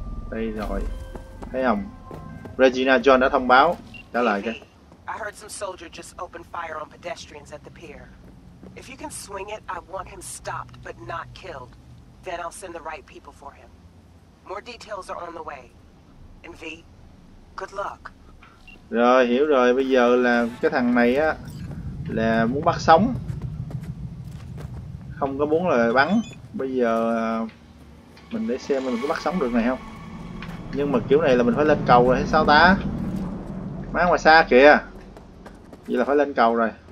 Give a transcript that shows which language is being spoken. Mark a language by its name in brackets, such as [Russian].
[Vietnamese] Đây rồi, thấy không? Regina John đã thông báo, trả lời cho. [English] I heard some soldier just opened fire on pedestrians at the pier. If you can swing it, I want him stopped but not killed. Then I'll send the right people for him. More details are on the way. And V, good luck. [Vietnamese] Rồi, hiểu rồi. Bây giờ là cái thằng này á là muốn bắt sống. Không có muốn là bắn. Bây giờ mình để xem mình có bắt sống được này không. Nhưng mà kiểu này là mình phải lên cầu rồi hay sao ta? Má ngoài xa kìa. Vậy là phải lên cầu rồi.